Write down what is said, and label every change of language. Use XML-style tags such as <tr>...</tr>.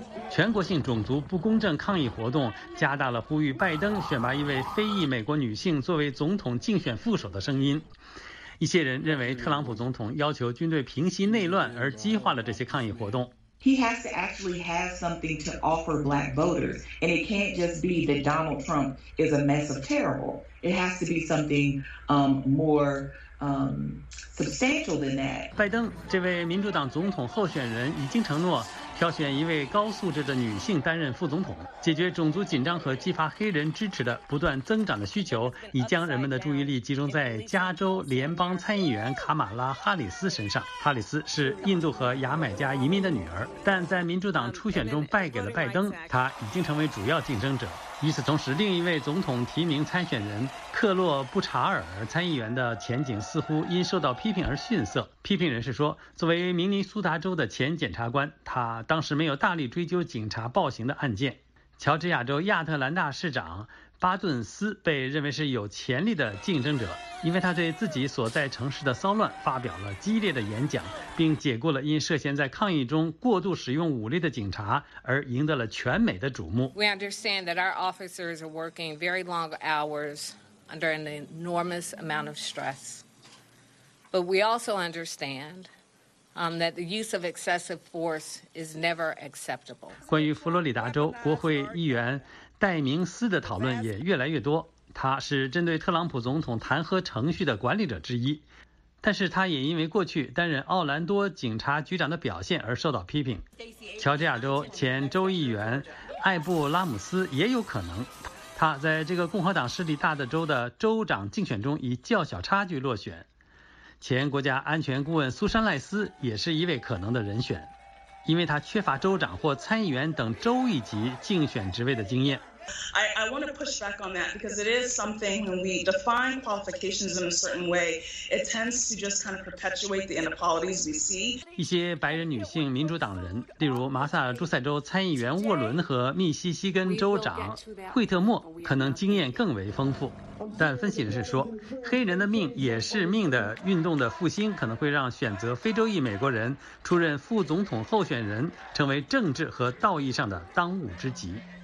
<zh>全国性种族不公正抗议活动加大了呼吁拜登选拔一位非裔美国女性作为总统竞选副手的声音。一些人认为特朗普总统要求军队平息内乱而激化了这些抗议活动。</zh> <en>He has to actually have something to offer black voters, and it can't just be that Donald Trump is a mess of terrible. It has to be something more substantial than that.</en> <zh>拜登这位民主党总统候选人已经承诺挑选一位高素质的女性担任副总统，解决种族紧张和激发黑人支持的不断增长的需求，已将人们的注意力集中在加州联邦参议员卡马拉·哈里斯身上。哈里斯是印度和牙买加移民的女儿，但在民主党初选中败给了拜登，她已经成为主要竞争者。与此同时，另一位总统提名参选人克洛布查尔参议员的前景似乎因受到批评而逊色。批评人士说，作为明尼苏达州的前检察官，他当时没有大力追究警察暴行的案件。乔治亚州亚特兰大市长巴顿斯被认为是有潜力的竞争者，因为他对自己所在城市的骚乱发表了激烈的演讲，并解雇了因涉嫌在抗议中过度使用武力的警察，而赢得了全美的瞩目。</zh> <en>We understand that our officers are working very long hours under an enormous amount of stress, but we also understand. That the use of excessive force is never acceptable.</en> <zh>关于佛罗里达州国会议员戴明斯的讨论也越来越多，他是针对特朗普总统弹劾程序的管理者之一，但是他也因为过去担任奥兰多警察局长的表现而受到批评。乔治亚州前州议员艾布拉姆斯也有可能，他在这个共和党势力大的州的州长竞选中以较小差距落选。前国家安全顾问苏珊·赖斯也是一位可能的人选，因为他缺乏州长或参议员等州一级竞选职位的经验。</zh> <en>I want to push back on that because it is something when we define qualifications in a certain way, it tends to just kind of perpetuate the inequalities we see.</en> <zh>一些白人女性民主党人，例如马萨诸塞州参议员沃伦和密西西根州长惠特莫，可能经验更为丰富。但分析人士说，黑人的命也是命的运动的复兴可能会让选择非洲裔美国人出任副总统候选人成为政治和道义上的当务之急。</zh>